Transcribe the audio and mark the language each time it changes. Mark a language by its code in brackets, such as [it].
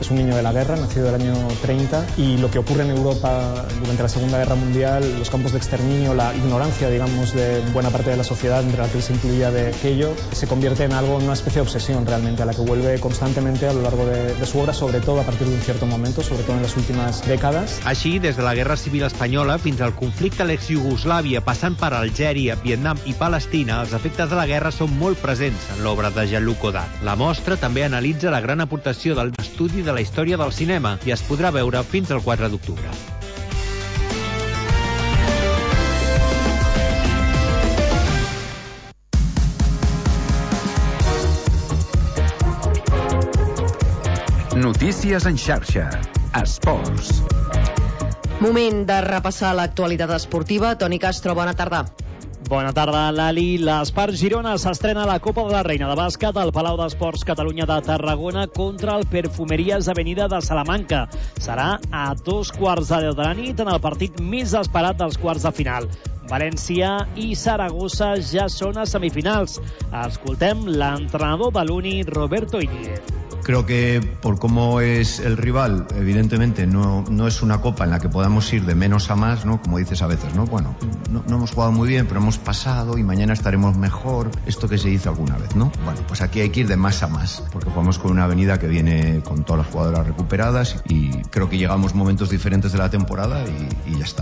[es] És un niño de la guerra, nacido del año 30, y lo que ocurre en Europa durante la Segunda Guerra Mundial, los campos de exterminio, la ignorancia, digamos, de buena parte de la sociedad, entre la que se incluía de aquello, se convierte en algo, en una especie de obsesión realmente, a la que vuelve constantemente a lo largo de su obra, sobre todo a partir de un cierto momento, sobre todo en las últimas décadas. [ca] Així, des de la Guerra Civil Espanyola fins al conflicte a l'ex-Yugoslàvia, passant per Algèria, Vietnam i Palestina, els efectes de la guerra són molt presents en l'obra de Jean-Luc Godard. La mostra també analitza la gran aportació de l'estudi de la història del cinema i es podrà veure fins al 4 d'octubre. Notícies en xarxa. Esports. Moment de repassar l'actualitat esportiva. Toni Castro, bona tarda. Bona tarda, Lali. L'Espart Girona s'estrena a la Copa de la Reina de Bàsquet al Palau d'Esports Catalunya de Tarragona contra el Perfumeries Avenida de Salamanca. Serà a 2:15 de la nit en el partit més esperat dels quarts de final. València i Saragossa ja són a semifinals. Escoltem l'entrenador de l'Uni, Roberto Iñiguez. [es] creo que por cómo es el rival, evidentemente no es una copa en la que podamos ir de menos a más, ¿no? Como dices a veces, ¿no? Bueno, no hemos jugado muy bien, pero hemos pasado y mañana estaremos mejor. Esto que se dice alguna vez, ¿no? Bueno, pues aquí hay que ir de más a más, porque jugamos con una avenida que viene con todas las jugadoras recuperadas y creo que llegamos momentos diferentes de la temporada y ya está.